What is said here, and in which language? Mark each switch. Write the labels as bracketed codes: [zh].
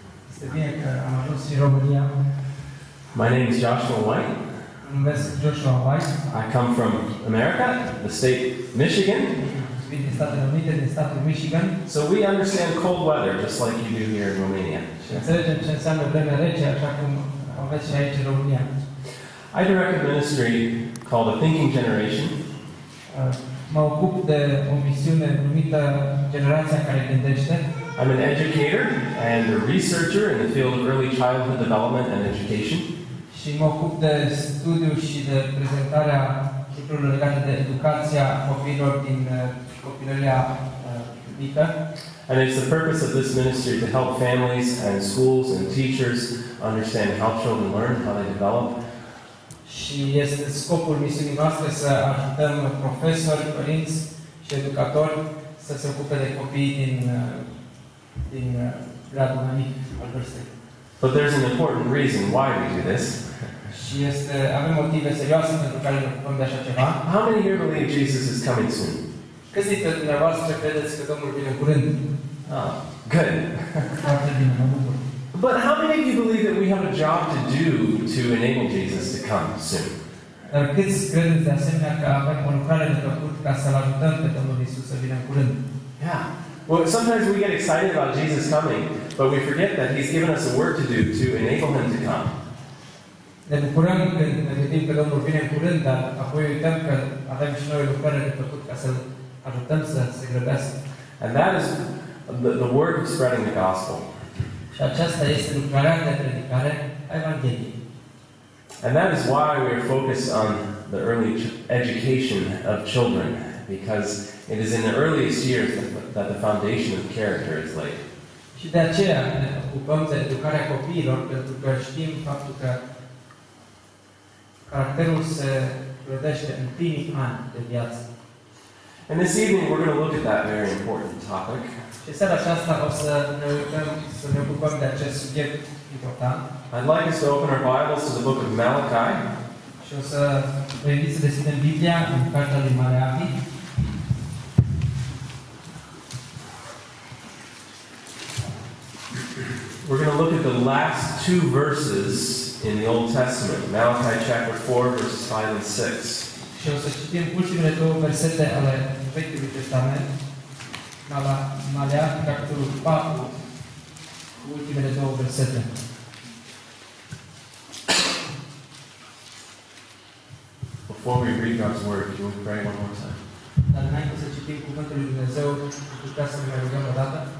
[ro] Este bine că am ajuns în România. [en] My name is Joshua White. [ro] Numesc Joshua White. [en] I come from America, the state Michigan. [ro] Vin din Statele Unite, din statul Michigan. [en] So we understand cold weather just like you do here in Romania. [ro] Și înțelegem ce înseamnă vreme rece, așa cum aveți și aici în România. [en] I direct a ministry called a thinking generation. [ro] Mă ocup de o misiune numită Generația care gândește. [en] I'm an educator and a researcher in the field of early childhood development and education. [ro] Și mă ocup de studiu și de prezentarea lucrurilor legate de educația copiilor din copilăria mică. [en] And it's the purpose of this ministry to help families and schools and teachers understand how children learn, how they develop. [ro] Și este scopul misiunii noastre să ajutăm profesori, părinți și educatori să se ocupe de copiii din gradul mic al vârstei. [en] But there's an important reason why we do this. [ro] Și avem motive serioase pentru care ne ocupăm de așa ceva. [en] How many here believe Jesus is coming soon? [ro] Câți dintre dumneavoastră credeți că Domnul vine în curând? [en] Good. [ro] Foarte bine, mă bucur. [en] But how many of you believe that we have a job to do to enable Jesus to come soon? [ro] Câți credeți de asemenea că avem o lucrare de făcut ca să-L ajutăm pe Domnul Iisus să vină în curând? [en] Yeah. Well, sometimes we get excited about Jesus coming, but we forget that He's given us a work to do to enable Him to come. [ro] Ne bucurăm când ne gândim că Domnul vine în curând, dar apoi uităm că avem și noi o lucrare de făcut ca să-L ajutăm să se grăbească. [en] And that is the work of spreading the gospel. [ro] Și aceasta este lucrarea de predicare a Evangheliei. [en] And that is why we are focused on the early education of children, because it is in the earliest years that the foundation of character is laid. [ro] Și de aceea ne ocupăm de educarea copiilor, pentru că știm faptul că caracterul se clădește în primii ani de viață. [en] And this evening we're going to look at that very important topic. [ro] Și seara aceasta o să ne uităm, să ne ocupăm de acest subiect important. [en] I'd like us to open our Bibles to the book of Malachi. [ro] Și o să vă invit să deschidem Biblia în cartea lui Maleahi. [en] We're going to look at the last two verses in the Old Testament. Malachi chapter 4, verses 5 and 6. [ro] Și o să citim ultimele două versete ale Vechiului Testament. Maleahi, capitolul 4, ultimele două versete. [en] Before we read God's word, you want to pray one more time? [ro] Dar înainte să citim cuvântul lui Dumnezeu, putea să ne rugăm o dată?